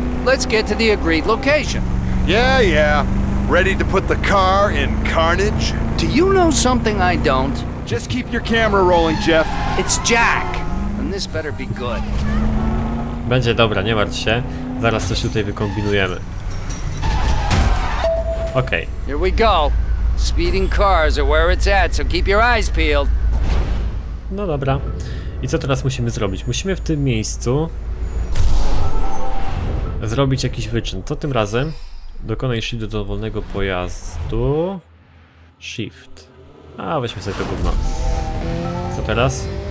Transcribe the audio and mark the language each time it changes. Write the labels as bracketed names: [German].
[English] Let's get to the agreed location. Yeah. Ready to put the car in carnage? Do you know something I don't? Just keep your camera rolling, Jeff. It's Jack. And this better be good. [Polish] Będzie dobra, nie martw się. Zaraz coś tutaj wykombinujemy. [English] Okej. Okay. Here we go. Speeding cars are where it's at, so keep your eyes peeled. [Polish] No dobra. I co teraz musimy zrobić? Musimy w tym miejscu zrobić jakiś wyczyn. Co tym razem? Dokonaj shift do dowolnego pojazdu. Shift. A, weźmy sobie to gówno. Co teraz?